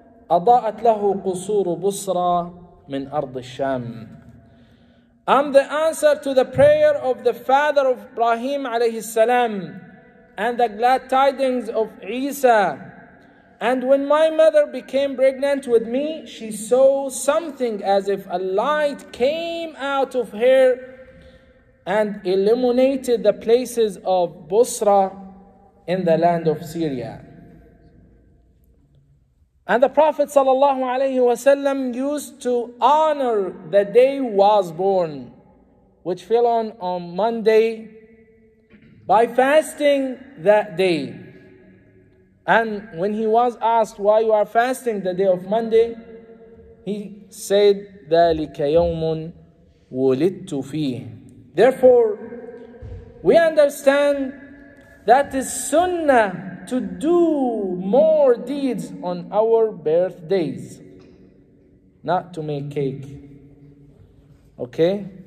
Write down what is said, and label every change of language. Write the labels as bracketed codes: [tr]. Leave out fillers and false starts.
[ar] أضاءت له قصور بصرى من أرض الشام." [en] I'm the answer to the prayer of the father of Ibrahim alayhi salam, and the glad tidings of Isa. And when my mother became pregnant with me, she saw something as if a light came out of her and illuminated the places of Busra in the land of Syria. And the Prophet sallallahu alaihi wasallam used to honor the day was born, which fell on Monday, by fasting that day. And when he was asked, "Why you are fasting the day of Monday?" he said, [ar] "ذَلِكَ يَوْمٌ وُلِدْتُ فِيهِ." [en] Therefore, we understand that is sunnah to do more deeds on our birthdays, not to make cake. Okay?